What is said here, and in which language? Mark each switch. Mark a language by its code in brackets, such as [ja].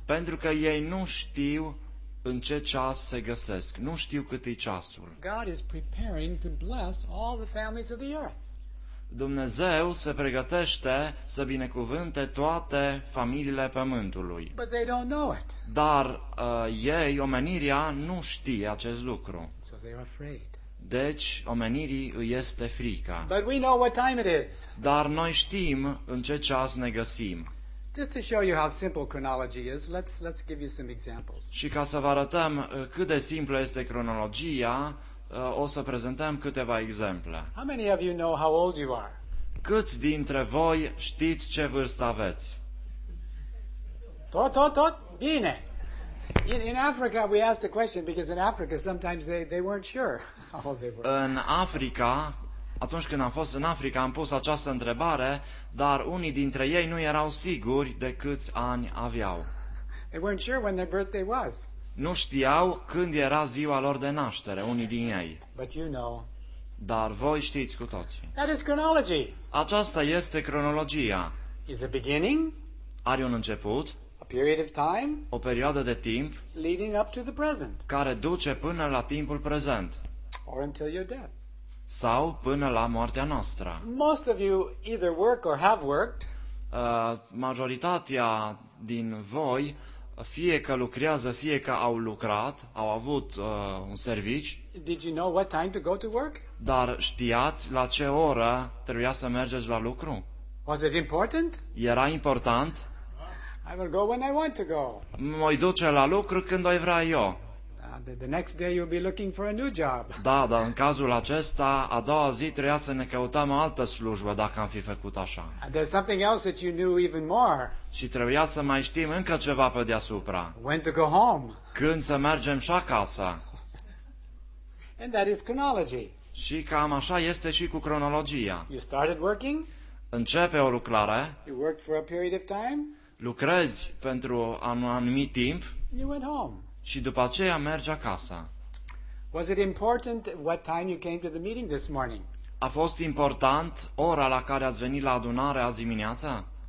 [ro] Pentru că ei nu știu în ce ceas se găsesc, nu știu cât e ceasul. [en] God is preparing to bless all the families of the earth. [ro] Dumnezeu se pregătește să binecuvânte toate familiile pământului. [en] But they don't know it. [ro] Dar ei, omenirea, nu știe acest lucru. [en] So they are afraid. [ro] Deci, omenirii îi este frica. [en] But we know what time it is. [ro] Dar noi știm în ce ceas ne găsim. [en] Just to show you how simple chronology is, let's give you some examples. [ro] Și ca să vă arătăm cât de simplă este cronologia, o să prezentăm câteva exemple. [en] How many of you know how old you are? [ro] Câți dintre voi știți ce vârstă aveți? Tot, bine. [en] In Africa we asked the question because in Africa sometimes they weren't sure how old they were. [ro] În Africa, atunci când am fost în Africa, am pus această întrebare, dar unii dintre ei nu erau siguri de câți ani aveau. [en] They weren't sure when their birthday was. [ro] Nu știau când era ziua lor de naștere, unii din ei. [en] But you know. [ro] Dar voi știți cu toții. [en] That is chronology. [ro] Aceasta este cronologia. [en] Is a beginning? [ro] Are un început? [en] A period of time? [ro] O perioadă de timp? [en] Leading up to the present. [ro] Care duce până la timpul prezent. [en] Or until your death. [ro] Sau până la moartea noastră. [en] Most of you either work or have worked. [ro] Majoritatea din voi fie că lucrează, fie că au lucrat, au avut un serviciu. [en] Did you know what time to go to work? [ro] Dar știați la ce oră trebuia să mergeți la lucru? [en] Was it important? [ro] Era important? [en] I will go when I want to go. [ro] Mă duce la lucru când o vrea eu. [en] The next day you'll be looking for a new job. [ro] Da, dar în cazul acesta, a doua zi trebuia să ne căutăm o altă slujbă dacă am fi făcut așa. [en] There's something else that you knew even more. [ro] Și trebuia să mai știm încă ceva pe deasupra. [en] When to go home. [ro] Când să mergem și acasă. [en] And that is chronology. [ro] Și cam așa este și cu cronologia. [en] You started working? [ro] Începe o lucrare. [en] You worked for a period of time? [ro] Lucrezi pentru un anumit timp. [en] You went home. [ro] Și după aceea merge acasă. [en] Was it important what time you came to the meeting this morning? [ro] A fost important ora la care ați venit la adunare azi dimineața?